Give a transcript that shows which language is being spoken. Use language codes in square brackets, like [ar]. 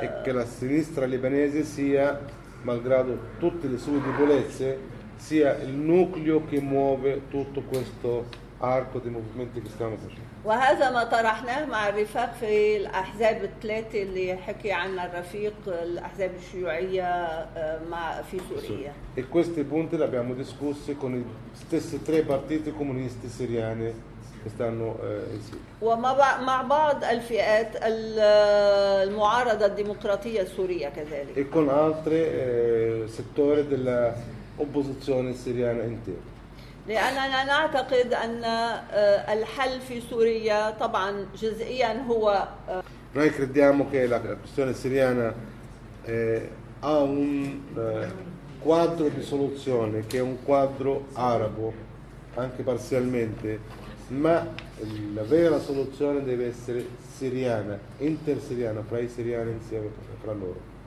[it] E che la sinistra libanese sia, malgrado tutte le sue debolezze, sia il nucleo che muove tutto questo arco di movimenti che stiamo facendo. [ar] وهذا ما طرحناه مع الرفاق في الأحزاب الثلاثة اللي حكي عنها الرفيق الأحزاب الشيوعية مع في سوريا. [it] E questi punti li abbiamo discussi con i stessi tre partiti comunisti siriani che stanno in Siria. [ar] ومع بعض الفئات المعارضة الديمقراطية السورية كذلك. [it] E con altri settori della opposizione siriana intera. [ar] لأننا نعتقد أن الحل في سوريا طبعا جزئيا هو. [it] Noi crediamo che la questione siriana ha un quadro di soluzione che è un quadro arabo anche parzialmente, ma la vera soluzione deve essere siriana, intersiriana, fra i siriani insieme fra loro.